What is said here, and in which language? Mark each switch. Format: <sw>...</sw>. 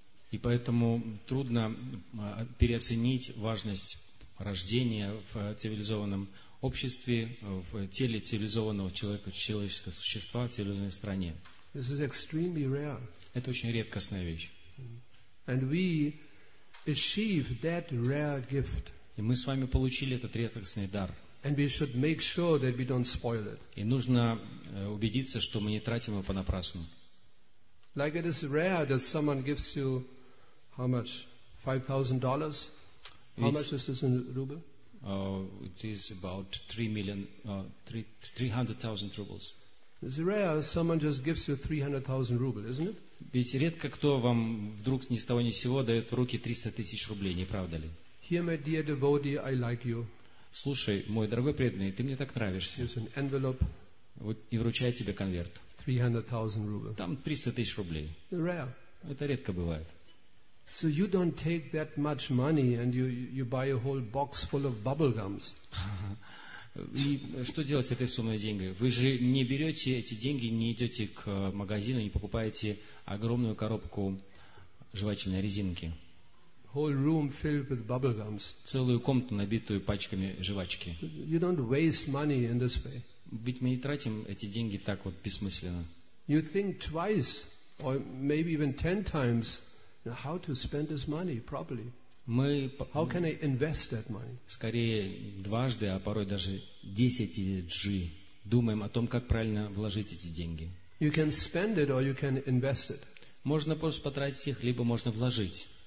<ru>И поэтому трудно переоценить важность рождения в цивилизованном обществе, в теле цивилизованного человека, человеческого существа, в цивилизованной стране.</ru> <en>This is extremely rare.</en> <ru>Это очень редкостная вещь.</ru> <en>And we achieve that rare gift.</en> <ru>И мы с вами получили этот редкостный дар.</ru> <en>And we should make sure that we don't spoil it.</en> <ru>И нужно убедиться, что мы не тратим его понапрасну.</ru> <en>Like it is rare that someone gives you how much? $5,000? How much is this in ruble? It is about 300,000 rubles. It's rare someone just gives you 300,000 rubles, isn't it?</en> <ru>Ведь редко кто вам вдруг ни с того ни с сего дает в руки 300,000 рублей, не правда ли?</ru> <en>Here, my dear devotee, I like you.</en> <ru>Слушай, мой дорогой преданный, ты мне так нравишься.</ru> <en>Here's an envelope.</en> <ru>и вручает тебе конверт.</ru> <en>300,000 rubles.</en> <ru>Там 300 тысяч рублей.</ru> <en>Rare.</en> <ru>Это редко бывает.</ru> <en>So you don't take that much money and you buy a whole box full of bubble gums.</en> <ru>И что делать с этой суммой деньги? Вы же не берете эти деньги, не идете к магазину, не покупаете огромную коробку жевательной резинки.</ru> <en>Whole room filled with bubble gums.</en> <ru>Целую комнату, набитую пачками жвачки.</ru> <en>You don't waste money in this way.</en> <ru>Ведь мы не тратим эти деньги так вот бессмысленно.</ru> <en>You think twice or maybe even 10 times how to spend this money properly.</en> <ru>Мы,</ru> <en>how can I invest that money?</en> <ru>Скорее дважды, а порой даже 10G думаем о том, как правильно вложить эти деньги.</ru> <en>You can spend it or you can invest it.</en> <ru>Можно просто потратить их, либо можно вложить.</ru>